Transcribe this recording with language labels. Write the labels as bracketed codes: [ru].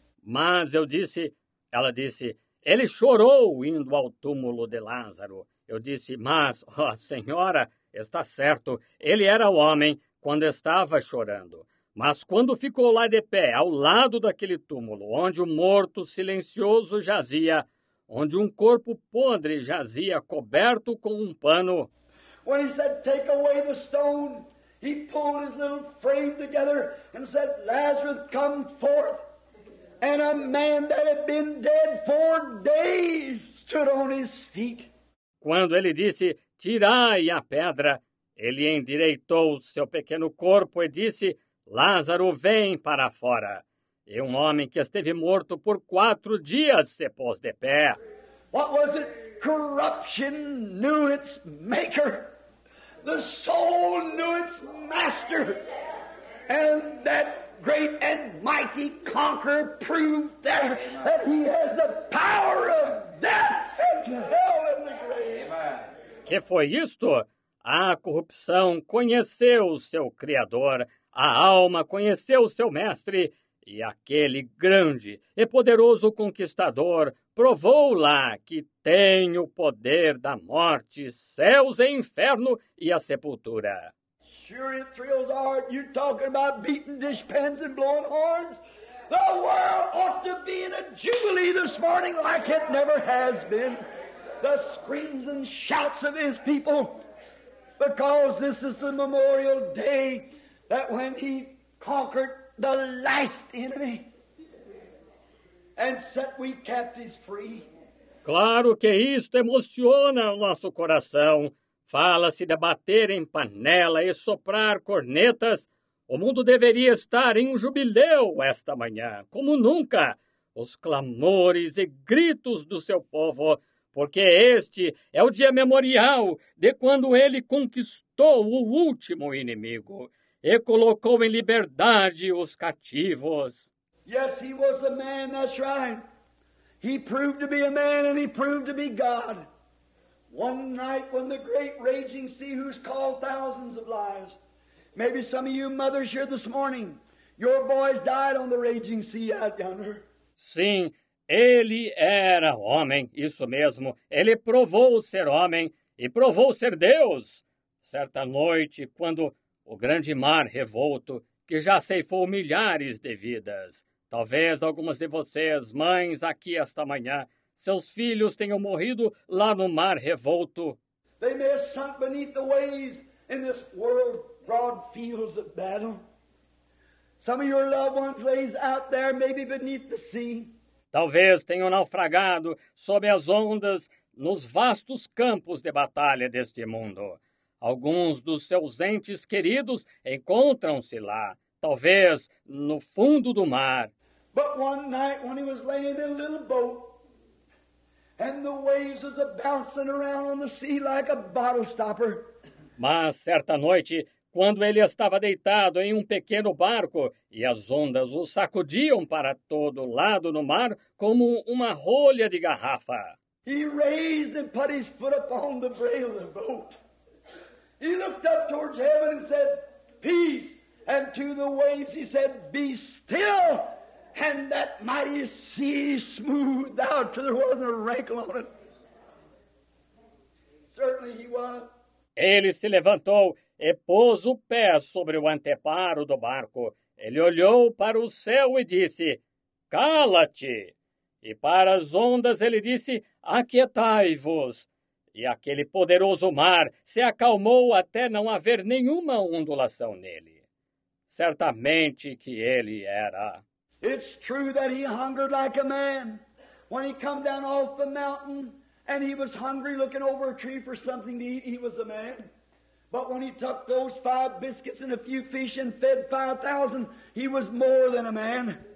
[pt] Mas eu disse, ela disse, ele chorou indo ao túmulo de Lázaro. Eu disse, mas, ó, senhora, está certo, ele era o homem quando estava chorando. Mas quando ficou lá de pé, ao lado daquele túmulo, onde o morto silencioso jazia, onde um corpo podre jazia coberto com um pano. [en] When he said, take away the stone, he pulled his little frame together and said, Lazarus, come forth. And a man that had been dead for days stood on his feet. [pt] Quando ele disse, tirai a pedra, ele endireitou seu pequeno corpo e disse, Lázaro, vem para fora. E um homem que esteve morto por 4 dias se pôs de pé. [en] What was it? Corruption knew its maker. The soul knew its master. And that great and mighty conqueror proved there that he has the power of death and hell in the grave. [pt] Que foi isto? A corrupção conheceu o seu Criador. A alma conheceu o seu mestre. E aquele grande e poderoso conquistador provou lá que tem o poder da morte, céus e inferno e a sepultura. [en] Sure, it thrills hard. You're talking about beating dish pans and blowing horns. The world ought to be in a jubilee this morning like it never has been. The screams and shouts of his people. Because this is the memorial day that when he conquered the last enemy and set we captives free. [pt] Claro que isto emociona o nosso coração. Fala-se de bater em panela e soprar cornetas. O mundo deveria estar em um jubileu esta manhã, como nunca. Os clamores e gritos do seu povo, porque este é o dia memorial de quando ele conquistou o último inimigo e colocou em liberdade os cativos. [en] Yes, he was a man, that's right. He proved to be a man and he proved to be God. One night when the great raging sea whose called thousands of lives. Maybe some of you mothers here this morning, your boys died on the raging sea out yonder. [pt] Sim, ele era homem, isso mesmo. Ele provou ser homem e provou ser Deus. Certa noite, quando o grande mar revolto, que já ceifou milhares de vidas. Talvez algumas de vocês, mães, aqui esta manhã, seus filhos tenham morrido lá no mar revolto. [en] They may have sunk beneath the waves in this world broad fields of battle. Some of your loved ones lay out there, maybe beneath the sea. [pt] Talvez tenham naufragado sob as ondas nos vastos campos de batalha deste mundo. Alguns dos seus entes queridos encontram-se lá, talvez no fundo do mar. [en] But one night when he was laying in a little boat, and the waves was a-bouncing around on the sea like a bottle stopper. [pt] Mas certa noite, quando ele estava deitado em um pequeno barco, e as ondas o sacudiam para todo lado no mar como uma rolha de garrafa. [en] He raised and put his foot upon the rail of the boat. He looked up towards heaven and said, peace. And to the waves he said, be still. And that mighty sea smoothed out till there wasn't a wrinkle on it. Certainly he was. [pt] Ele se levantou e pôs o pé sobre o anteparo do barco. Ele olhou para o céu e disse, cala-te! E para as ondas ele disse, aquietai-vos! E aquele poderoso mar se acalmou até não haver nenhuma ondulação nele. Certamente que ele era. [en] It's true that he hungered like a man when he come down off the mountain and he was hungry looking over a tree for something to eat, he was a man. But when he took those five biscuits and a few fish and fed 5,000, he was more than a man.